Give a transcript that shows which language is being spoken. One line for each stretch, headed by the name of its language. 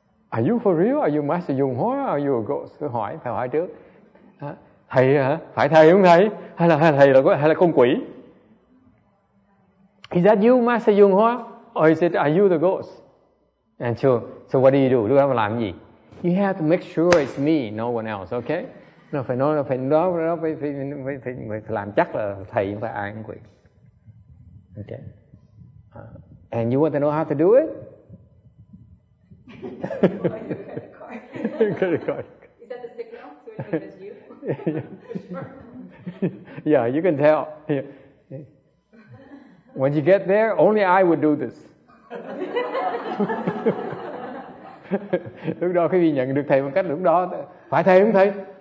English: Are you for real? Are you Master Yung Ho? Are you a ghost?
Vietnamese: Phải hỏi trước. Thầy hả? Phải thầy không thầy? Hay là con quỷ?
English: Is that you, Master Yung Ho? Or is it, are you the ghost? And so what do?
Vietnamese: Lúc đó mà làm gì?
English: You have to make sure it's me, no one else, okay?
Vietnamese: Nó phải nói, nó phải nói, nó phải làm chắc là thầy không phải ai cũng quyền.
English: Okay. And you want to know how to do it? Is that the signal? So it is you? Yeah, you can tell. When you get there, only I would do this.
Vietnamese: Lúc đó quý vị nhận được thầy bằng cách lúc đó phải thầy không thầy?